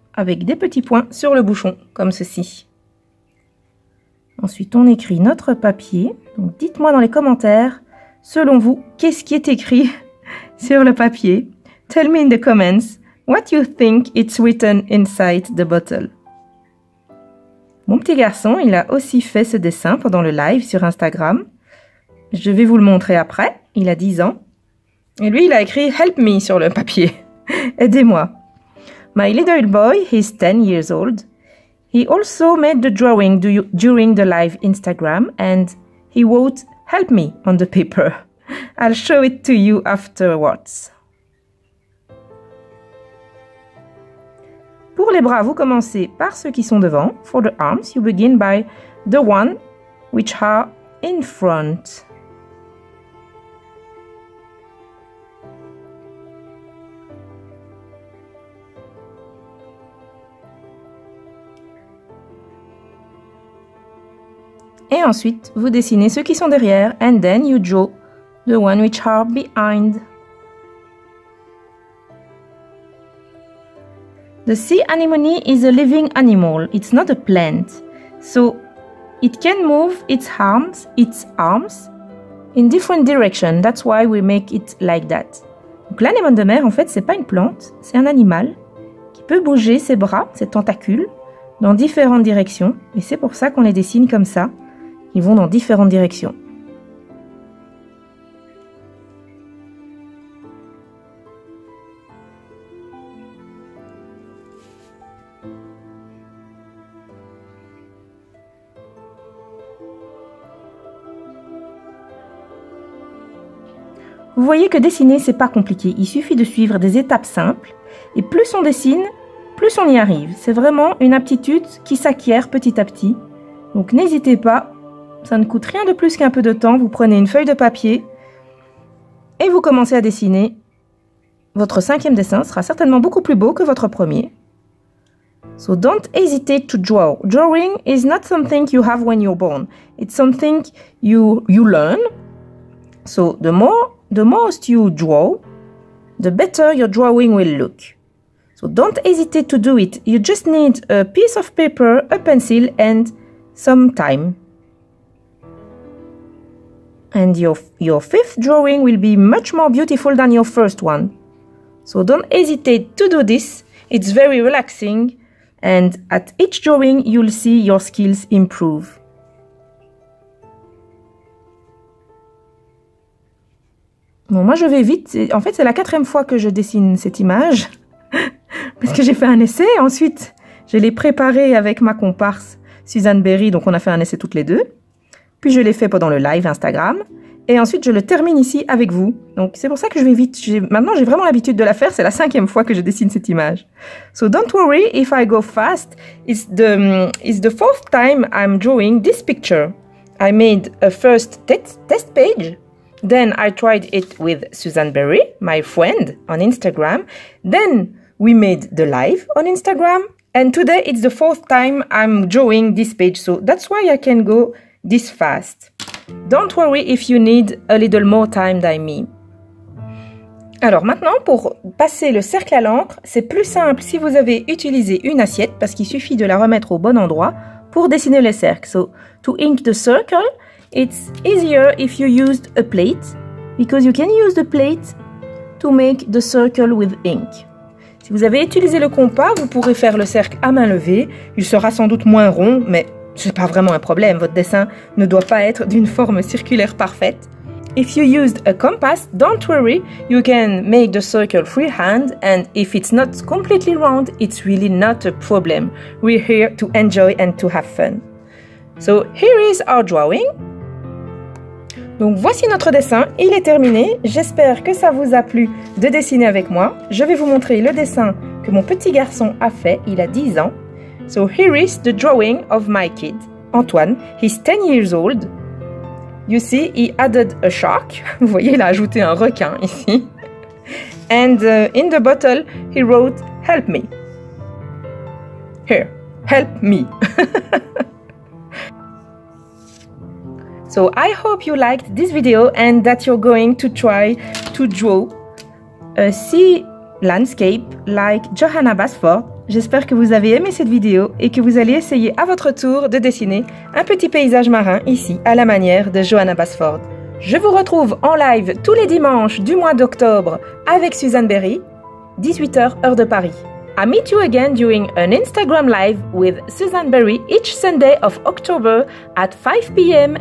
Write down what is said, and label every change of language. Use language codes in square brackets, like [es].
[fr] Avec des petits points sur le bouchon, comme ceci. Ensuite, on écrit notre papier. Donc dites-moi dans les commentaires. Selon vous, qu'est-ce qui est écrit sur le papier? [en] Tell me in the comments what you think it's written inside the bottle. [fr] Mon petit garçon, il a aussi fait ce dessin pendant le live sur Instagram. Je vais vous le montrer après. Il a 10 ans. Et lui, il a écrit « [en] Help me [fr] » sur le papier. Aidez-moi. [en] My little boy, he's 10 years old. He also made the drawing during the live Instagram and he wrote « Help me on the paper. I'll show it to you afterwards. [fr] Pour les bras, vous commencez par ceux qui sont devant. [en] For the arms, you begin by the one which are in front. [fr] Et ensuite, vous dessinez ceux qui sont derrière, [en] and then you draw the one which are behind. The sea anemone is a living animal, it's not a plant. So, it can move its arms, in different directions, that's why we make it like that. [fr] Donc l'anémone de mer, en fait, c'est pas une plante, c'est un animal qui peut bouger ses bras, ses tentacules, dans différentes directions, et c'est pour ça qu'on les dessine comme ça. Ils vont dans différentes directions. « Vous voyez que dessiner, c'est pas compliqué. Il suffit de suivre des étapes simples. Et plus on dessine, plus on y arrive. C'est vraiment une aptitude qui s'acquiert petit à petit. Donc n'hésitez pas, ça ne coûte rien de plus qu'un peu de temps. Vous prenez une feuille de papier et vous commencez à dessiner. Votre cinquième dessin sera certainement beaucoup plus beau que votre premier. [en] So don't hesitate to draw. Drawing is not something you have when you're born. It's something you learn. So the most you draw, the better your drawing will look. So don't hesitate to do it. You just need a piece of paper, a pencil and some time. And your fifth drawing will be much more beautiful than your first one. So don't hesitate to do this. It's very relaxing. And at each drawing, you'll see your skills improve. [fr] Bon, moi je vais vite. En fait, c'est la quatrième fois que je dessine cette image. Parce que j'ai fait un essai. Ensuite, je l'ai préparé avec ma comparse Suzanne Berry. Donc, on a fait un essai toutes les deux. Puis, je l'ai fait pendant le live Instagram. Et ensuite, je le termine ici avec vous. Donc, c'est pour ça que je vais vite. Maintenant, j'ai vraiment l'habitude de la faire. C'est la cinquième fois que je dessine cette image. [en] So, don't worry if I go fast. It's the fourth time I'm drawing this picture. I made a first test page. Then, I tried it with Suzanne Berry, my friend, on Instagram. Then, we made the live on Instagram. And today, it's the fourth time I'm drawing this page. So, that's why I can go this fast. Don't worry if you need a little more time than me. [fr] Alors maintenant, pour passer le cercle à l'encre, c'est plus simple si vous avez utilisé une assiette parce qu'il suffit de la remettre au bon endroit pour dessiner le cercle. [en] So, to ink the circle, it's easier if you used a plate because you can use the plate to make the circle with ink. [fr] Si vous avez utilisé le compas, vous pourrez faire le cercle à main levée. Il sera sans doute moins rond, mais c'est pas vraiment un problème, votre dessin ne doit pas être d'une forme circulaire parfaite. [en] If you used a compass, don't worry, you can make the circle freehand and if it's not completely round, it's really not a problem. We're here to enjoy and to have fun. So here is our drawing. [fr] Donc voici notre dessin, il est terminé. J'espère que ça vous a plu de dessiner avec moi. Je vais vous montrer le dessin que mon petit garçon a fait, il a 10 ans. [en] So here is the drawing of my kid, Antoine. He's 10 years old. You see, he added a shark. [fr] Vous voyez, il a ajouté un requin ici. [en] And in the bottle, he wrote, help me. Here, help me. So I hope you liked this video and that you're going to try to draw a sea landscape like Johanna Basford. [fr] J'espère que vous avez aimé cette vidéo et que vous allez essayer à votre tour de dessiner un petit paysage marin ici, à la manière de Johanna Basford. Je vous retrouve en live tous les dimanches du mois d'octobre avec Suzanne Berry, 18h heure de Paris. [en] I meet you again during an Instagram live with Suzanne Berry each Sunday of October at 5 p.m.